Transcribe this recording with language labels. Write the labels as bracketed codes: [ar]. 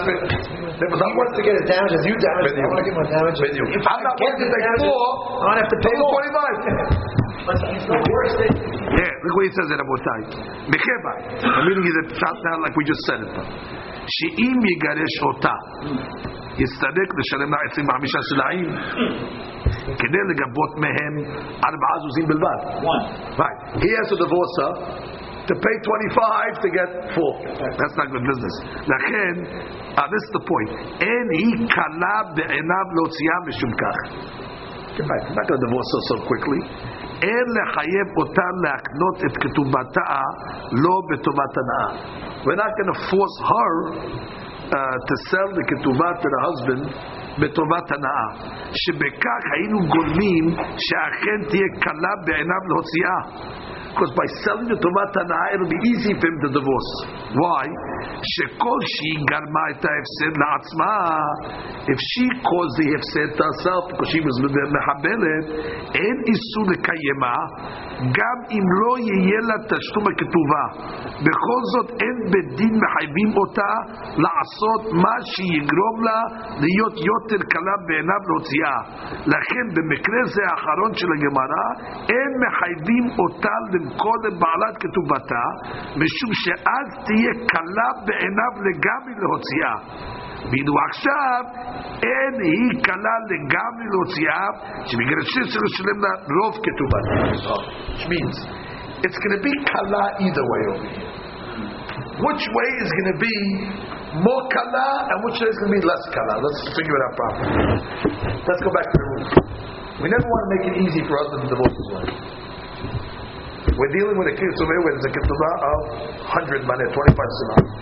[en] If he wants to get his damages, you damage him. I want to get my damages. If I'm not willing to take four, I don't have to pay more. 25. But he's not worth it. Yeah, look what he says there, Rabotai. I'm reading the pshat now like we just said it. [he] She'im yigaresh ota. יצטרך לשלם לה 25 סלעים כדי לגבות מהם 4 זוזים בלבד. [en] Right. He has to divorce her to pay 25 to get 4. That's not good business. לכן, this is the point. [he] אין היא קלה בעיניו להוציאה משום כך. [en] Goodbye. I'm not going to divorce her so quickly. [he] אין לחייב אותה להקנות את כתובתה לא בתובת הנאה. [en] We're not going to force her to sell the ketubah to the husband בטובת הנאה. [he] שבכך היינו גולמים שאכן תהיה קלה בעיניו להוציאה. [en] Because by selling the ketubah הנאה, it'll be easy for him to divorce. Why? [he] שכל שהיא גרמה את ההפסד לעצמה, [en] if she caused the הפסד to herself, because she was [he] מחבלת, אין איסור לקיימה, גם אם לא יהיה לה תשלום הכתובה. בכל זאת, אין בדין מחייבים אותה לעשות מה שיגרום לה להיות יותר קלה בעיניו להוציאה. לכן, במקרה זה האחרון של הגמרא, אין מחייבים אותה למכור לבעלת כתובתה, משום שאז תהיה קלה בעיניו לגמרי להוציאה. ואילו עכשיו, אין היא קלה לגמרי להוציאה, שבגלל שצריך לשלם לה רוב כתובתה. [en] Which means it's going to be kala either way over here. Which way is going to be more kala and which way is going to be less kala? Let's figure it out properly. Let's go back to the rules. We never want to make it easy for husband to divorce his wife. We're dealing with a ketubah where there's a ketubah of 100 money, 25 sinah.